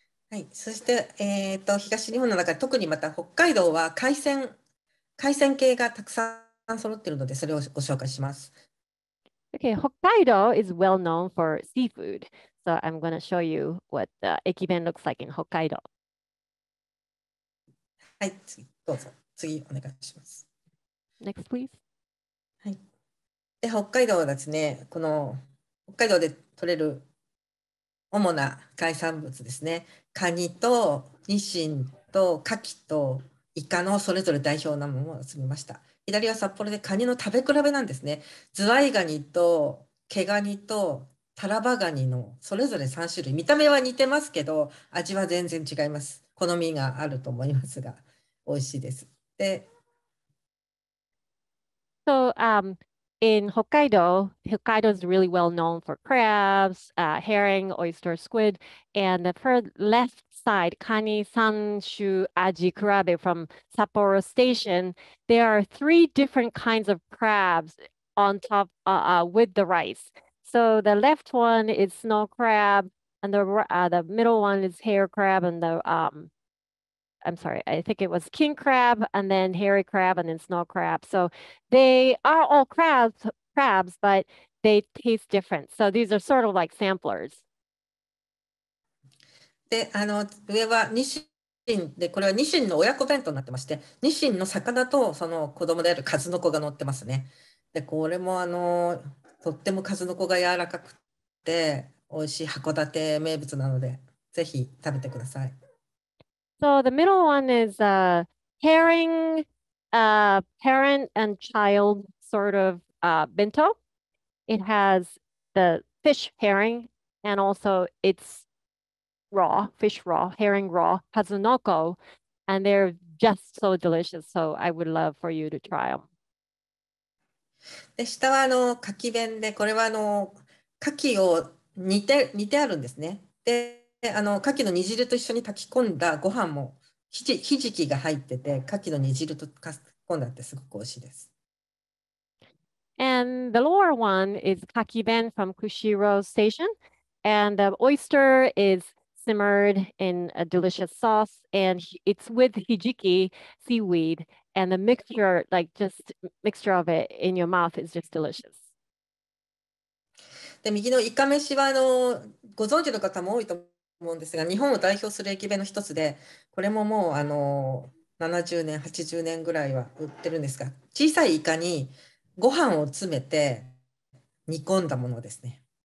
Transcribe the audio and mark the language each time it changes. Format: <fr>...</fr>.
<ja>はい、そして、東日本の中で特にまた北海道は海鮮系がたくさん揃っているので、それをご紹介します。</ja> <en>Okay, Hokkaido is well known for seafood. So I'm going to show you what the ekiben looks like in Hokkaido.</en> <ja>はい、次、どうぞ。次、お願いします。</ja> <en>Next, please.</en> <ja>はい。で、北海道ですね、この北海道で取れる主な海産物ですね、カニとニシンとカキとイカのそれぞれ代表なものを集めました。左は札幌でカニの食べ比べなんですね。ズワイガニとケガニとタラバガニのそれぞれ3種類。見た目は似てますけど、味は全然違います。好みがあると思いますが、美味しいです。で、</ja> <en>So, in Hokkaido, Hokkaido is really well known for crabs, herring, oyster, squid, and the far left side, Kani Sanshu Aji Kurabe from Sapporo Station, there are three different kinds of crabs on top with the rice. So the left one is snow crab, and the middle one is hair crab, and the king crab, and then hairy crab, and then snow crab. So they are all crabs, but they taste different. So these are sort of like samplers.</en> <ja>で、上はニシンで、これはニシンの親子弁当になってまして、ニシンの魚とその子供である数の子が乗ってますね。で、これもとっても数の子が柔らかくて美味しい函館名物なので、ぜひ食べてください。</ja> <en>So the middle one is a herring, parent and child sort of bento. It has the fish herring and also it's raw, fish raw, herring raw, kazunoko, and they're just so delicious. So I would love for you to try them.</en> <ja>で、下はカキ弁で、これはカキを煮てあるんですね。で、カキの煮汁と一緒に炊き込んだご飯もひじきが入ってて、カキの煮汁と炊き込んだってすごく美味しいです。</ja> <en>And the lower one is kaki ben from Kushiro Station, and the oyster is simmered in a delicious sauce, and it's with hijiki seaweed, and the mixture, like just mixture of it in your mouth, is just delicious.</en> <ja>で、右のイカ飯はご存知の方も多いと思うんですが、日本を代表する駅弁の一つで、これももう70年80年ぐらいは売ってるんですが、小さいイカにご飯を詰めて煮込んだものですね。</ja>